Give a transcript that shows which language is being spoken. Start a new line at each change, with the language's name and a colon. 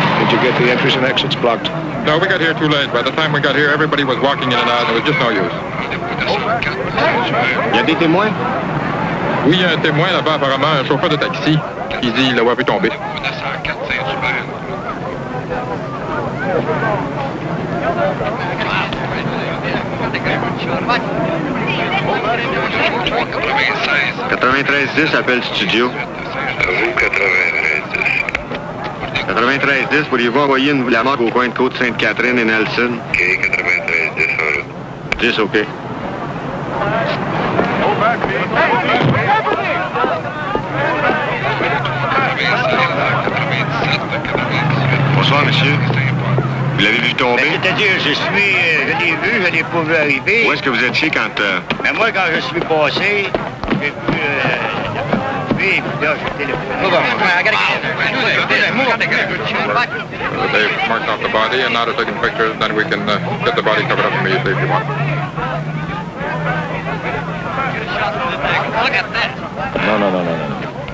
English: Did you get the entries and exits blocked? No, we got here too late. By the time we got here, everybody was walking in and out. There was just no use.
French: Y a des témoins? Oui, y a un témoin là-bas, apparemment, un chauffeur de taxi. Il dit l'avoir vu tomber. Appel studio. Vous, 93-10. 93-10, pourriez-vous envoyer une la marque au coin de Côte-Sainte-Catherine et Nelson? OK, 93-10, en route. 10, OK. Bonsoir, monsieur. Vous l'avez vu tomber? Mais c'est-à-dire, je suis... je l'ai vu, je n'ai pas vu arriver. Où est-ce que vous étiez quand... Mais moi, quand je suis passé, j'ai vu...
English: They've marked off the body and now they're taking pictures, then we can get the body covered up immediately if you want. Look at that. No.